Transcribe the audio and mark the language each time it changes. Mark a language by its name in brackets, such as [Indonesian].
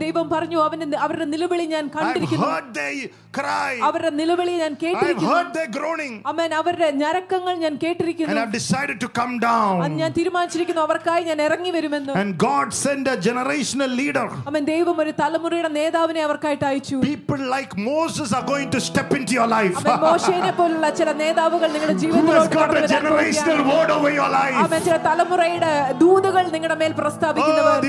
[Malayalam] ദൈവം പറഞ്ഞു, അവരുടെ നിലവിളി ഞാൻ കണ്ടിരിക്കുന്നു. [English] I've heard their cry. [Malayalam] അവരുടെ നിലവിളി ഞാൻ കേട്ടിരിക്കുന്നു. [English] I've heard their groaning. [Malayalam] അമേൻ. അവരുടെ ഞരക്കങ്ങൾ ഞാൻ കേട്ടിരിക്കുന്നു. [English] And I've decided to come down. [Malayalam] ഞാൻ തീരുമാനിച്ചിരിക്കുന്നു അവർക്കായി ഞാൻ ഇറങ്ങി വരുമെന്ന്. [English] And God sent a generational leader. [Malayalam] അമേൻ. ദൈവം ഒരു തലമുറയുടെ നേതാവിനെ അവർക്കായിട്ട് അയച്ചു. [English] People like Moses are going to step into your life. [Malayalam] അമേൻ. മോശയെ പോലുള്ള ചില നേതാവുകൾ നിങ്ങളുടെ ജീവിതത്തിലേക്ക് വരും. [English] God has got a generational word over your life. [Malayalam] അമേൻ. ചില തലമുറയുടെ ദൂതുകൾ നിങ്ങളുടെ മേൽ പ്രസ്താവിക്കും.